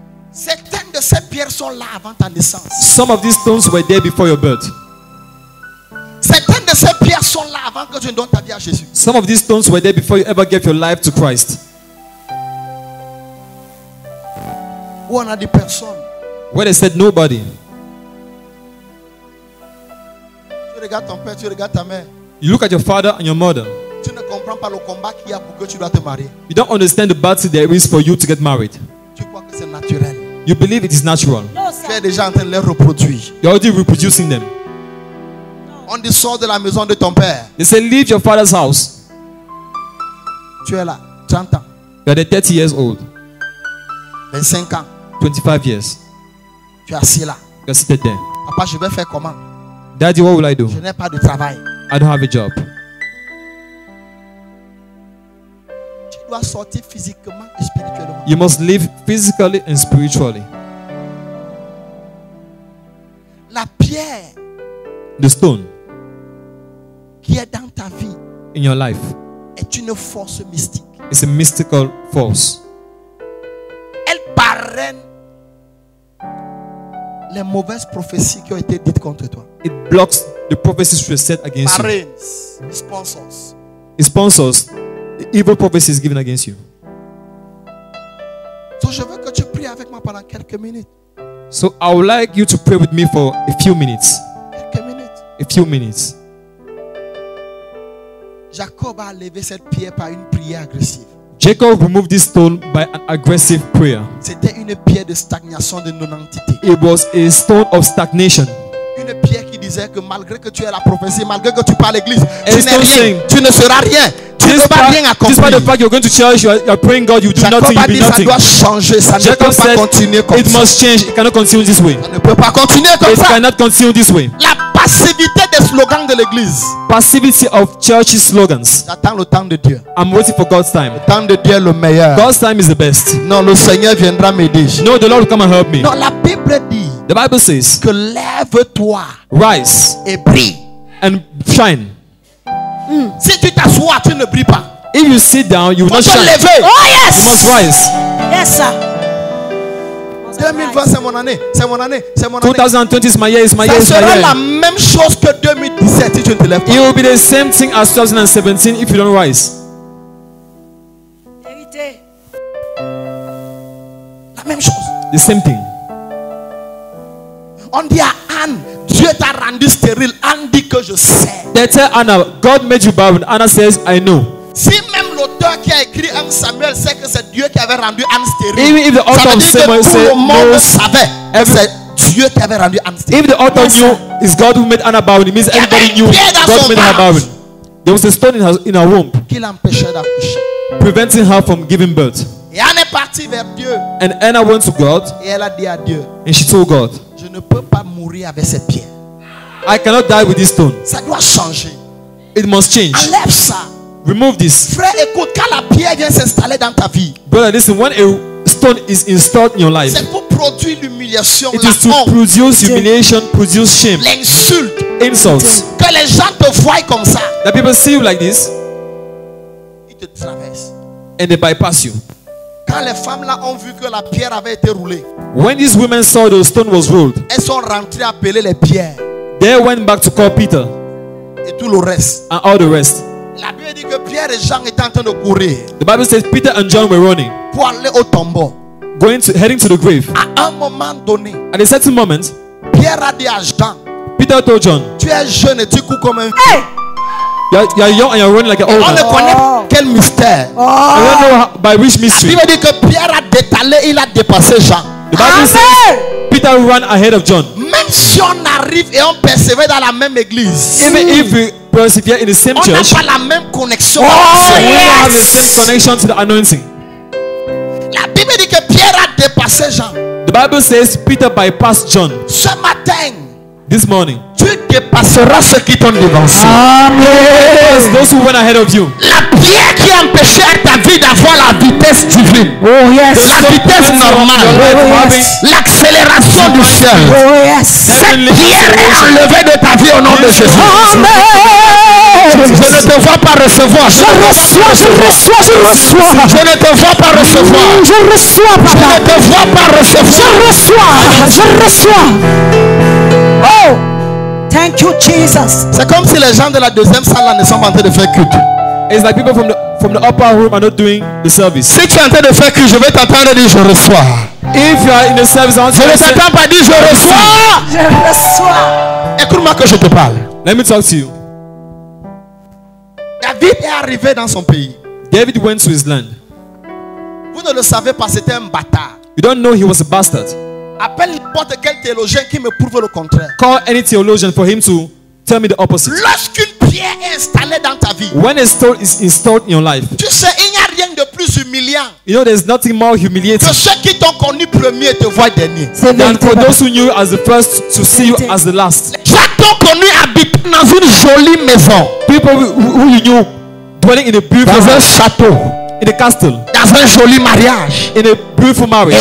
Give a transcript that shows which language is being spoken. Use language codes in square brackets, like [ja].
[fr] Certaines de ces pierres sont là avant ta naissance. [en] Some of these stones were there before your birth. [fr] Certaines de ces pierres sont là avant que tu ne donnes ta vie à Jésus. [en] Some of these stones were there before you ever gave your life to Christ. [fr] Où on a dit personne. [en] Where they said nobody. [fr] Tu regardes ton père, tu regardes ta mère. [en] You look at your father and your mother. [fr] Tu ne comprends pas le combat qu'il y a pour que tu dois te marier. [en] You don't understand the battle there is for you to get married. [fr] Tu crois que c'est naturel. [en] You believe it is natural. [fr] Non, tu es déjà en train de les reproduire. [en] You're already reproducing them. [fr] On dit sort de la maison de ton père. [en] They say leave your father's house. [fr] Tu es là, 30 ans. [en] You are 30 years old. [fr] 25 ans. [en] 25 years. [fr] Tu es assis là. [en] You're seated there. [fr] Papa, je vais faire comment? [en] Daddy, what will I do? [fr] Je n'ai pas de travail. [en] I don't have a job. [fr] Tu dois sortir physiquement et spirituellement. [en] You must live physically and spiritually. [fr] La pierre, [en] the stone, [fr] qui est dans ta vie, [en] in your life, [fr] est une force mystique. [en] It's a mystical force. [fr] Elle parraine les mauvaises prophéties qui ont été dites contre toi. [en] It blocks the prophecies which are said against you. [fr] Parrains, sponsors. [en] It sponsors. The evil prophecy is given against you. [fr] So, je veux que tu pries avec moi pendant quelques minutes. [en] So I would like you to pray with me for a few minutes. [fr] Quelques minutes. [en] A few minutes. [fr] Jacob a levé cette pierre par une prière agressive. [en] Jacob removed this stone by an aggressive prayer. [fr] C'était une pierre de stagnation de non-entité. [en] It was a stone of stagnation. [fr] Une pierre qui disait que malgré que tu aies la prophétie, malgré que tu parles à l'église, tu n'es rien, tu ne seras rien. [en] Despite the fact you're going to church, you are praying God, you do Jacob nothing, you be nothing. [fr] Ça doit changer, ça [en] Jacob [fr] ne peut [en] said, [fr] pas continuer comme [en] it [fr] ça. [en] Must change, it cannot continue this way. [fr] Ça ne peut pas continuer comme [en] it [fr] ça. [en] Cannot continue this way. [fr] La passivité des slogans de l'église. [en] Passivity of church's slogans. [fr] J'attends le temps de Dieu. [en] I'm waiting for God's time. [fr] Le temps de Dieu est le meilleur. [en] God's time is the best. [fr] Non, le Seigneur viendra m'aider. [en] No, the Lord will come and help me. [fr] Non, la Bible dit. [en] The Bible says. [fr] Que lève-toi. [en] Rise. [fr] Et brille. [en] And shine. Mm. [fr] Si tu t'assois, tu ne brilles pas. [en] If you sit down, you will not shine. [fr] Lever. [en] Oh yes. You must rise. Yes, sir. [fr] 2020 c'est mon année, c'est mon année, c'est mon année. [en] 2020 is my year, is my year. [fr] Ça sera [en] my year. [fr] La même chose que 2017 si tu ne te lèves pas. [en] It will be the same thing as 2017 if you don't rise. [fr] Vérité. La même chose. [en] The same thing. [fr] On dit à Anne, Dieu t'a rendu stérile. Anne dit que je sais. [en] They tell Anna, God made you barren. Anna says, I know. [fr] Si même l'auteur qui a écrit 1 Samuel sait que c'est Dieu qui avait rendu Anne stérile. [en] Even if the author of Samuel [fr] tout le monde savait, c'est Dieu qui avait rendu Anne stérile. [en] If the author knew, it's God who made Anna barren. It means everybody knew God made her barren. There was a stone in her womb. [fr] Qui l'empêchait d'accoucher? [en] Preventing her from giving birth. [fr] Et Anne est partie vers Dieu. [en] And Anna went to God. [fr] Et elle a dit à Dieu. [en] And she told God. [fr] Je ne peux pas mourir avec cette pierre. [en] I cannot die with this stone. [fr] Ça doit changer. [en] It must change. [fr] Enlève ça. [en] Remove this. [fr] Frère, écoute, quand la pierre vient s'installer dans ta vie, [en] brother, listen. When a stone is installed in your life, [fr] c'est pour produire l'humiliation, [en] it is to [fr] honte, [en] produce humiliation, produce shame, [fr] l'insulte, [en] insults. [fr] Que les gens te voient comme ça. [en] That people see you like this. [fr] Ils te traversent. [en] And they bypass you. [fr] Quand les femmes là ont vu que la pierre avait été roulée, [en] when these women saw the stone was rolled, [fr] elles sont rentrées appeler les pierres. [en] They went back to call Peter. [fr] Et tout le reste. [en] And all the rest. [fr] La Bible dit que Pierre et Jean étaient en train de courir. [en] The Bible says Peter and John were running. [fr] Pour aller au tombeau. [en] Heading to the grave. [fr] À un moment donné. [en] At a certain moment. [fr] Pierre a dit à Jean. [en] Peter told John. [fr] Tu es jeune et tu cours comme un. Hey! [en] You're young and you're running like an old man. [fr] On ne connaît quel mystère. Oh! [en] I don't know by which mystery. [fr] La Bible dit que Pierre a détalé, il a dépassé Jean. [en] The Bible Amen! Says Peter ran ahead of John. [fr] Même si on arrive et on persévère dans la même église. [en] Even if we persevere in the same [fr] on [en] church. [fr] On n'a pas la même connexion. Oh, [en] we yes! have the same connection to the anointing. [fr] La Bible dit que Pierre a dépassé Jean. [en] The Bible says Peter bypassed John. [fr] Ce matin. [en] This morning. [fr] Tu dépasseras ceux qui t'ont devancé. [en] Amen. Those who went ahead of you. [fr] La pierre qui empêchait ta vie d'avoir la vitesse divine. [en] Oh yes. [fr] La vitesse normale. [en] Oh yes. [fr] L'accélération du ciel. [en] Oh yes. [fr] Cette pierre est enlevée de ta vie au nom de Jésus. [en] Amen. [fr] Je ne te vois pas recevoir. Je reçois, je reçois, je reçois. Je ne te vois pas recevoir. Je reçois, papa. Je ne te vois pas recevoir. Je reçois, je reçois. [en] Oh, thank you, Jesus. [fr] C'est comme si les gens de la deuxième salle ne sont pas en train de faire culte. [en] It's like people from the upper room are not doing the service. [fr] Si tu es en train de faire culte, je vais t'entendre dire je reçois. [en] If you are in the service, [fr] je ne t'entends pas dire je reçois. Je reçois. Écoute-moi que je te parle. [en] Let me talk to you. [fr] David est arrivé dans son pays. [en] David went to his land. [fr] Vous ne le savez pas, c'était un bâtard. [en] You don't know he was a bastard. [fr] Appelle n'importe quel théologien qui me prouve le contraire. [en] Call any theologian for him to tell me the opposite. [fr] Lorsqu'une pierre est installée dans ta vie. [en] When a stone is installed in your life. [fr] Tu sais, il n'y a rien de plus humiliant. [en] You know, there's nothing more humiliating. [fr] Que ceux qui t'ont connu premier te voient dernier. [en] Than for those who knew you as the first to see you as the last. [fr] Connu habitant dans une jolie maison. [en] People who you knew dwelling in a beautiful [fr] dans un château, [en] in a castle, [fr] dans un joli mariage, [en] in a beautiful marriage.